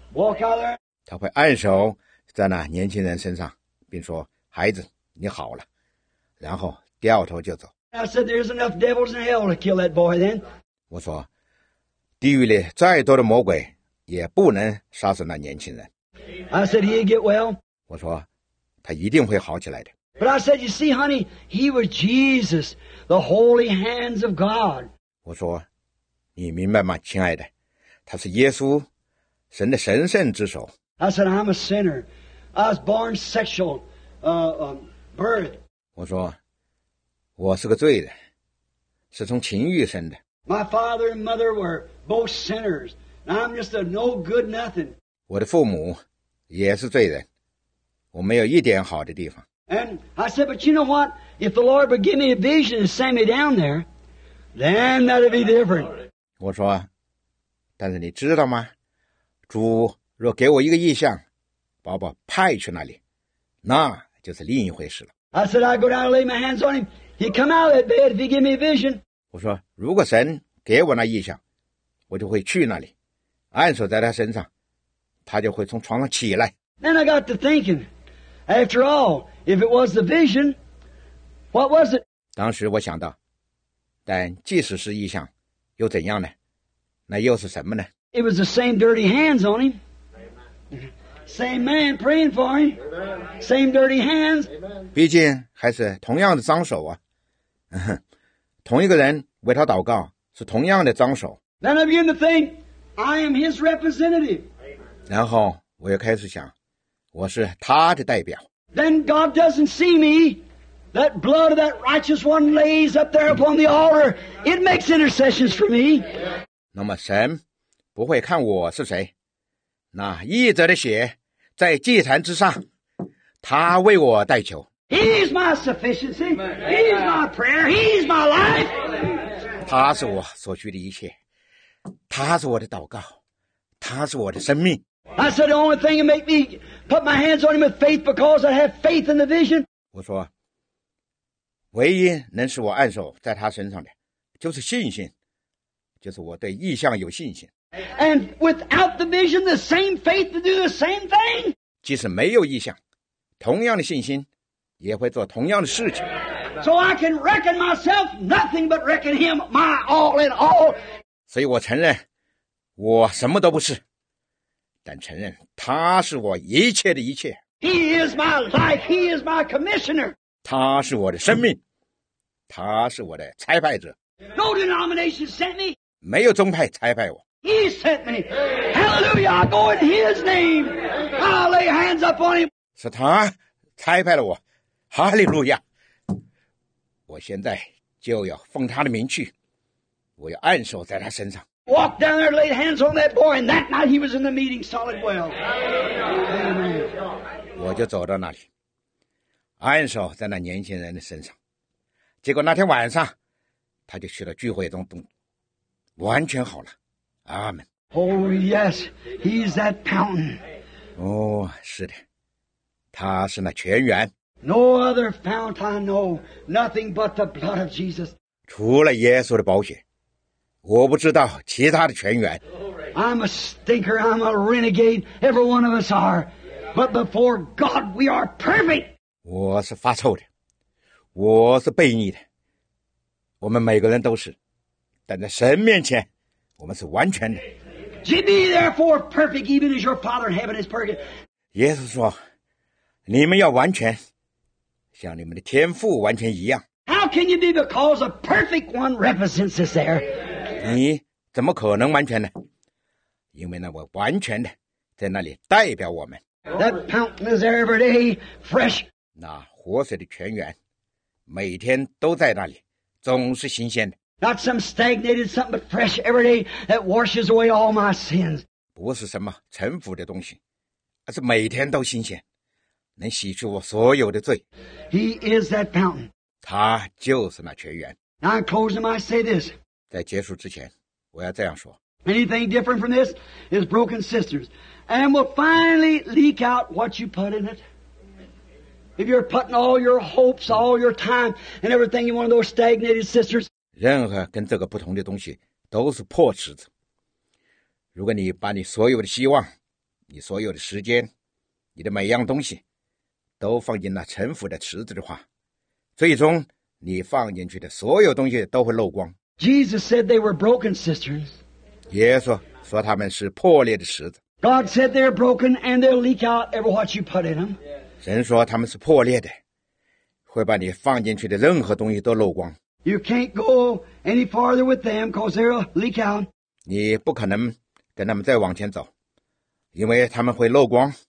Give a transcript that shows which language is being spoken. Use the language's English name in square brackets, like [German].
[English] Walk out there." [Chinese] 他会按手在那年轻人身上，并说：“孩子，你好了。” 然后掉头就走。 [English] I said, there's enough devils in hell to kill that boy then. [Chinese] 我说，地狱里再多的魔鬼也不能杀死那年轻人。 [English] I said, he'd get well. [Chinese] 我说，他一定会好起来的。 [English] But I said, you see, honey, he was Jesus, the holy hands of God. [Chinese] 我说，你明白吗，亲爱的？他是耶稣，神的神圣之手。 [English] I said, I'm a sinner. I was born sexual, birth. [Chinese] 我说，我是个罪人，是从情欲生的。 [English] My father and mother were both sinners, and I'm just a no good nothing. [Chinese] 我的父母也是罪人，我没有一点好的地方。 [English] And I said, but you know what? If the Lord would give me a vision and send me down there, then that'd be different. [Chinese] 我说，但是你知道吗？主若给我一个意象，把我派去那里，那就是另一回事了。 [English] I said, I'd go down and lay my hands on him. He'd come out of that bed if he gave me a vision. [Chinese] 我说，如果神给我那意象，我就会去那里，按手在他身上，他就会从床上起来。 [English] Then I got to thinking, after all, if it was the vision, what was it? [Chinese] 当时我想到，但即使是意象，又怎样呢？那又是什么呢？ [English] It was the same dirty hands on him. Same man praying for him. Same dirty hands. [Chinese] 毕竟还是同样的脏手啊。同一个人为他祷告是同样的脏手。 [English] Then I begin to think, I am his representative. [Chinese] 然后我又开始想，我是他的代表。 [English] Then God doesn't see me. That blood of that righteous one lays up there upon the altar. It makes intercessions for me. [Chinese] 那么神不会看我是谁。那义者的血在祭坛之上，他为我代求。 [English] He's my sufficiency. He's my prayer. He's my life. [Chinese] 他是我所需的一切，他是我的祷告，他是我的生命。 [English] I said the only thing that make me put my hands on him with faith because I have faith in the vision. [Chinese] 我说，唯一能使我按手在他身上的，就是信心，就是我对异象有信心。 [English] And without the vision, the same faith to do the same thing. [Chinese] 即使没有异象，同样的信心也会做同样的事情。 [English] So I can reckon myself nothing but reckon him my all in all. [Chinese] 所以我承认我什么都不是，但承认他是我一切的一切。 [English] He is my life. He is my commissioner. [Chinese] 他是我的生命，他是我的差派者。 [English] No denomination sent me. [Chinese] 没有宗派差派我。 [English] He sent me. Hallelujah, I go in his name. I lay hands upon him. [Chinese] 是他差派了我。哈利路亚，我现在就要奉他的名去，我要按手在他身上。 [English] Walk down there, laid hands on that boy, and that night he was in the meeting solid well. Amen. [Chinese] 我就走到那里，按手在那年轻人的身上，结果那天晚上他就去了聚会中，完全好了。阿们。 [English] Oh yes, he's that fountain. [Chinese] 哦，是的，他是那泉源。 [English] No other fount I know, nothing but the blood of Jesus. [Chinese] 除了耶稣的宝血，我不知道其他的泉源。 [English] I'm a stinker. I'm a renegade. Every one of us are. But before God, we are perfect. [Chinese] 我是发臭的，我是悖逆的，我们每个人都是，但在神面前，我们是完全的。 [English] Be therefore perfect, even as your Father in heaven is perfect. [Chinese] 耶稣说，你们要完全，像你们的天父完全一样。 [English] How can you be because a perfect one represents us there? [Chinese] 你怎么可能完全呢？因为那位完全的在那里代表我们。 [English] That fountain is there every day, fresh. [Chinese] 那活水的泉源每天都在那里，总是新鲜的。 [English] Not some stagnated something, but fresh every day that washes away all my sins. [Chinese] 不是什么陈腐的东西，而是每天都新鲜，能洗去我所有的罪。 [English] He is that fountain. [Chinese] 他就是那泉源。 [English] Now in closing, I say this. [Chinese] 在结束之前，我要这样说。 [English] Anything different from this is broken sisters, and will finally leak out what you put in it. If you're putting all your hopes, all your time, and everything in one of those stagnated sisters, [Chinese] 任何跟这个不同的东西都是破池子。如果你把你所有的希望、你所有的时间、你的每样东西都放进那陈腐的池子的话，最终你放进去的所有东西都会漏光。 [English] Jesus said they were broken sisters. [Chinese] 耶稣说他们是破裂的池子。 [English] God said they're broken and they'll leak out every what you put in them. [Chinese] 神说他们是破裂的，会把你放进去的任何东西都漏光。 [English] You can't go any farther with them, cause they'll leak out. [Chinese] 你不可能跟他们再往前走，因为他们会漏光。